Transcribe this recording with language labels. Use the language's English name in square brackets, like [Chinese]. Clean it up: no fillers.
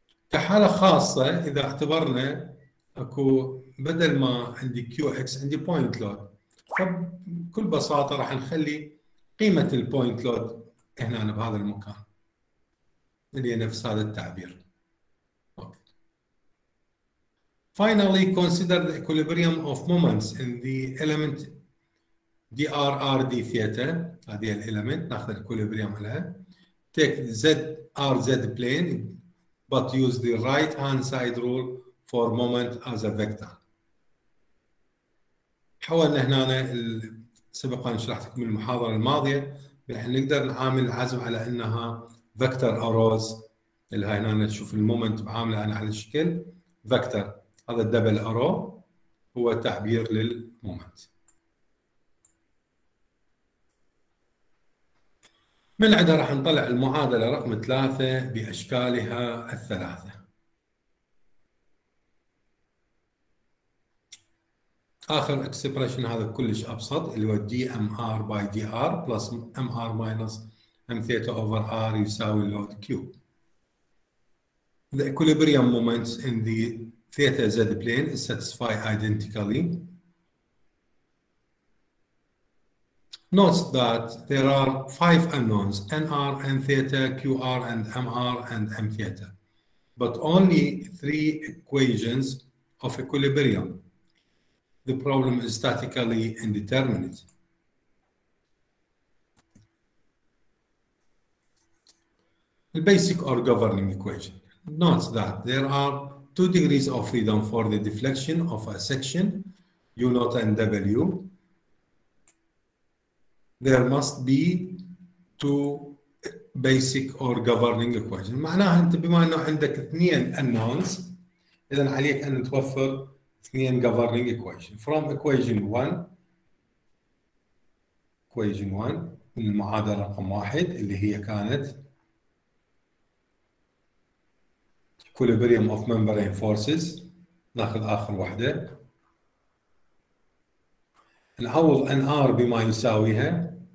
[Arabic] كحاله خاصه اذا اعتبرنا اكو بدل ما عندي كيو اكس عندي بوينت لود، فبكل بساطه راح نخلي قيمه البوينت لود هنا بهذا المكان اللي هي نفس هذا التعبير. [English] Finally, consider the equilibrium of moments in the element drr d theta. [Arabic] هذه الelement نأخذ equilibrium لها. [English] Take zrz plane, but use the right hand side rule for moment as a vector. [Arabic] حاولنا هنا سبق أن شرحتكم المحاضرة الماضية بحيث نقدر نعامل العزم على أنها فكتر أروز اللي هنا نشوف المومنت بعامله أنا على الشكل فكتر، هذا الدبل أرو هو تعبير للمومنت. من عندها راح نطلع المعادلة رقم 3 بأشكالها الثلاثة. [English] آخر expression [Arabic] هذا كلش أبسط اللي هو [English] dmr by dr plus mr minus m theta over r يساوي load q. The equilibrium moments in the theta z plane is satisfied identically. Note that there are five unknowns nr, n theta, qr and mr and m theta. But only three equations of equilibrium. The problem is statically indeterminate. The basic or governing equation. Note that there are two degrees of freedom for the deflection of a section, U0 and W. There must be two basic or governing equations. [Arabic] معناها أنت بما أنه عندك اثنين unknowns إذن عليك أن توفر اثنين governing equation. [English] From equation 1 equation 1 [Arabic] من المعادلة رقم 1 اللي هي كانت [English] equilibrium of membrane forces، [Arabic] ناخذ آخر واحدة نعوض NR بما يساويها